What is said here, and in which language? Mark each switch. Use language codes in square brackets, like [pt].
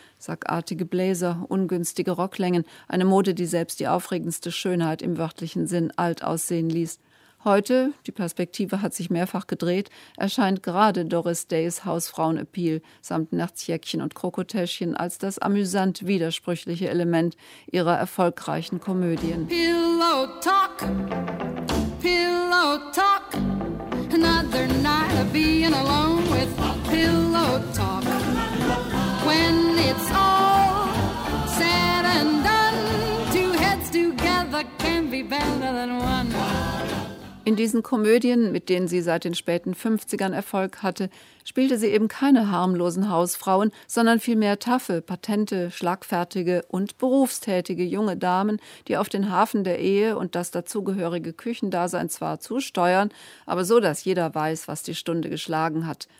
[de] Sackartige Blazer, ungünstige Rocklängen, eine Mode, die selbst die aufregendste Schönheit im wörtlichen Sinn alt aussehen ließ. Heute, die Perspektive hat sich mehrfach gedreht, erscheint gerade Doris Days Hausfrauen-Appeal samt Nerzjäckchen und Krokotäschchen als das amüsant widersprüchliche Element ihrer erfolgreichen Komödien. [en] Pillow talk, pillow talk, another night of being alone with pillow talk. When it's all said and done, two heads together can be better than one. [de] In diesen Komödien, mit denen sie seit den späten 50ern Erfolg hatte, spielte sie eben keine harmlosen Hausfrauen, sondern vielmehr taffe, patente, schlagfertige und berufstätige junge Damen, die auf den Hafen der Ehe und das dazugehörige Küchendasein zwar zusteuern, aber so, dass jeder weiß, was die Stunde geschlagen hat.